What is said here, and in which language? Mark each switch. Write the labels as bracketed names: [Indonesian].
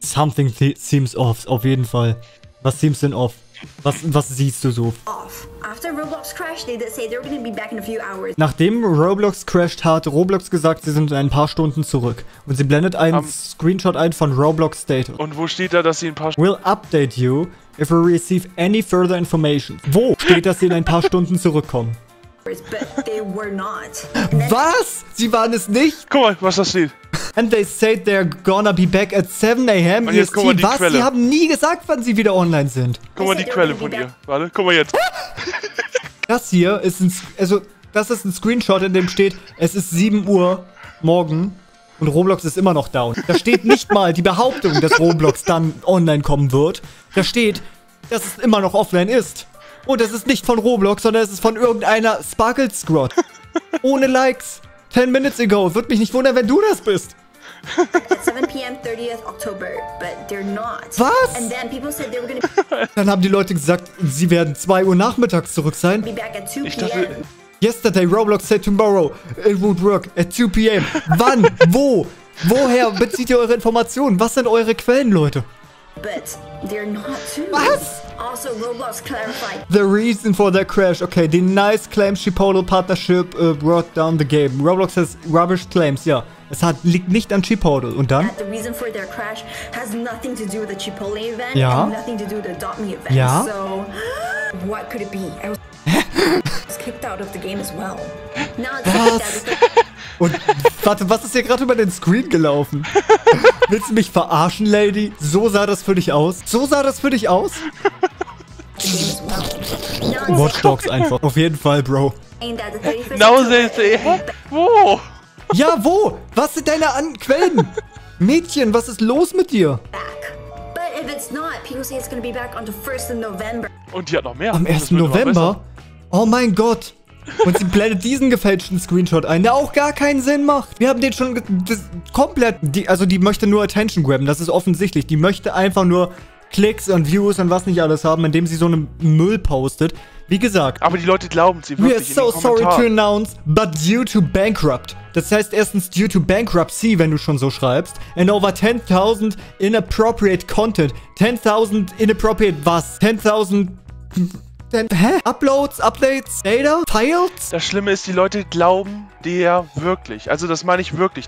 [English] Something seems off, [German] auf jeden Fall. [English] Was seems denn off? [German] Was siehst du so? [English] Off. After Roblox crashed, they did say they're gonna be back in a few hours. [German] Nachdem Roblox crashed hat, Roblox gesagt, sie sind in ein paar Stunden zurück. Und sie blendet einen Screenshot ein von Roblox Data. Und wo steht da, dass sie ein paar Stunden... [English] We'll update you if we receive any further information. [German] Wo steht, dass sie in ein paar Stunden zurückkommen? [English] But they were not. [German] Was? Sie waren es nicht? Guck mal, was das steht. [English] And they said they're gonna be back at 7 AM [German] EST. Guck mal die was? Quelle. Sie haben nie gesagt, wann sie wieder online sind. Guck mal die Quelle von ihr. Warte, guck mal jetzt. Das hier ist ein Screenshot, in dem steht, es ist 7 Uhr morgen Und Roblox ist immer noch down. Da steht nicht mal die Behauptung, dass Roblox dann online kommen wird. Da steht, dass es immer noch offline ist. Und es ist nicht von Roblox, sondern es ist von irgendeiner Sparkle Squad. Ohne Likes. [English] 10 minutes ago. [German] Würde mich nicht wundern, wenn du das bist. [English] 7 p.m. 30th October, but they're not. [German] Was? [English] And then people said they were gonna... [German] Dann haben die Leute gesagt, sie werden 2 Uhr nachmittags zurück sein. [English] Be back at 2 p.m. [German] Ich dachte, [English] yesterday Roblox said tomorrow it would work at 2 p.m. [German] Wann? Wo? Woher bezieht ihr eure Informationen? Was sind eure Quellen, Leute? [English] But they're not too. [German] Was? [English] Also Roblox clarified. The reason for that crash. Okay, the nice claims Chipotle partnership brought down the game. Roblox has rubbish claims, [German] ja. Es hat, liegt nicht an Chipotle. Und dann? [English] The reason for their crash has nothing to do with the Chipotle event. [German] Ja? [English] And nothing to do with the Adopt Me event. [German] Ja? [English] So, what could it be? I was kicked out of the game as well. [German] Was? Und warte, was ist hier gerade über den Screen gelaufen? Willst du mich verarschen, Lady? So sah das für dich aus? So sah das für dich aus? Watch Dogs einfach. Auf jeden Fall, Bro. [English] Now they say, [German] wo? Ja, wo? Was sind deine Quellen? Mädchen, was ist los mit dir? [English] But if it's not, people say it's gonna be back on the 1st of November. [German] Und die hat noch mehr. Am 1. November? Oh mein Gott. Und sie blendet diesen gefälschten Screenshot ein, der auch gar keinen Sinn macht. Wir haben den schon komplett... Die möchte nur Attention grabben, das ist offensichtlich. Die möchte einfach nur Klicks und Views und was nicht alles haben, indem sie so einen Müll postet. Wie gesagt... Aber die Leute glauben sie wirklich in den Kommentaren. [English] We are so sorry to announce, but due to bankrupt. [German] Das heißt erstens [English] due to bankruptcy, [German] wenn du schon so schreibst. [English] And over 10,000 inappropriate content. 10,000 inappropriate was? 10,000... Denn, hä? Uploads? Updates? Data? Files? [German] Das Schlimme ist, die Leute glauben dir wirklich. Also das meine ich wirklich.